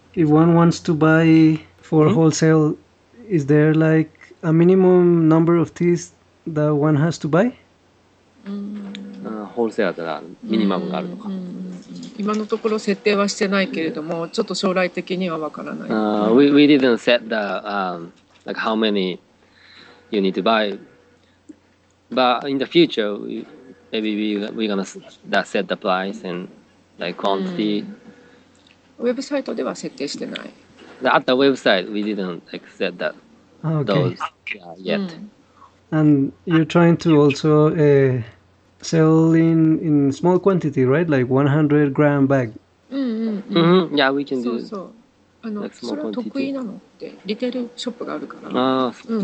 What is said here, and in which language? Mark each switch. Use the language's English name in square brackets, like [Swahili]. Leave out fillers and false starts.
[English] If one wants to buy for wholesale, is there like... A minimum number of teas that one has to buy? [Japanese] Wholesale だったらミニマムがあるのか。今のところ設定はしてないけれども、ちょっと将来的にはわからない。 [English] We didn't set the like how many you need to buy, but in the future maybe we're gonna set the price and like quantity. [Japanese] ウェブサイトでは設定してない。 [English] At the website, we didn't like set that. Okay. Those, yet. And you're trying to also sell in small quantity, right? Like 100 gram bag. Yeah, we can do so. So,